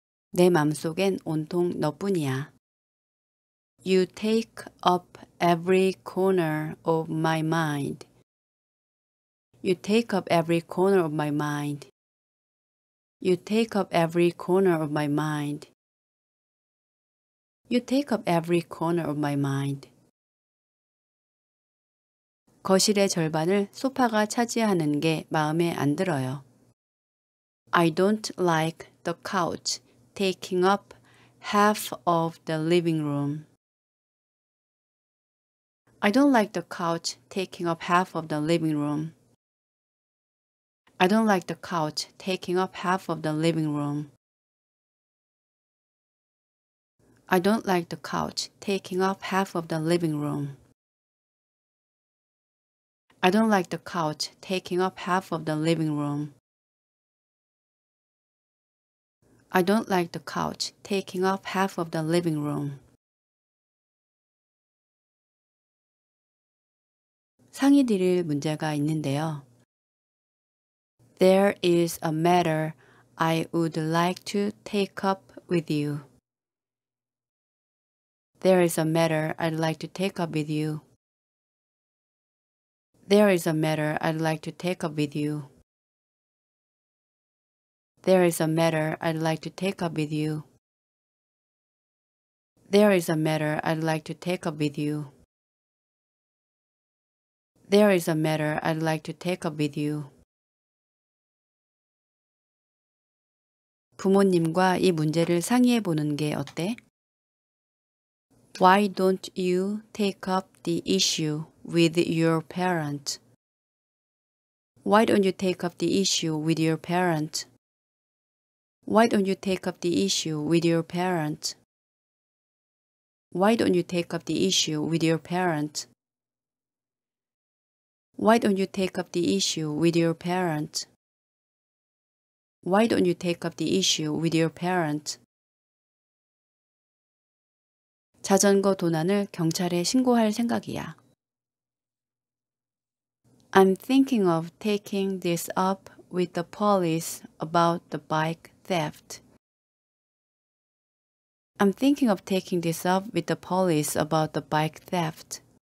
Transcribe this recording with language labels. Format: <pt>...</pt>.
<ko>내 마음속엔 온통 너뿐이야.</ko> <en>You take up every corner of my mind. You take up every corner of my mind. You take up every corner of my mind. You take up every corner of my mind.</en> <ko>거실의 절반을 소파가 차지하는 게 마음에 안 들어요.</ko> <en>I don't like the couch taking up half of the living room. I don't like the couch taking up half of the living room. I don't like the couch taking up half of the living room. I don't like the couch taking up half of the living room. I don't like the couch taking up half of the living room. I don't like the couch taking up half of the living room.</en> <ko>상의 드릴 문제가 있는데요.</ko> <en>There is a matter I would like to take up with you. There is a matter I'd like to take up with you. There is a matter I'd like to take up with you. There is a matter I'd like to take up with you. There is a matter I'd like to take up with you. There is a matter I'd like to take up with you.</en> <ko>부모님과 이 문제를 상의해 보는 게 어때?</ko> <en>Why don't you take up the issue with your parents? Why don't you take up the issue with your parents? Why don't you take up the issue with your parents? Why don't you take up the issue with your parents? Why don't you take up the issue with your parents? Why don't you take up the issue with your parents?</en> <ko>자전거 도난을 경찰에 신고할 생각이야.</ko> <en>I'm thinking of taking this up with the police about the bike theft. I'm thinking of taking this up with the police about the bike theft.</en>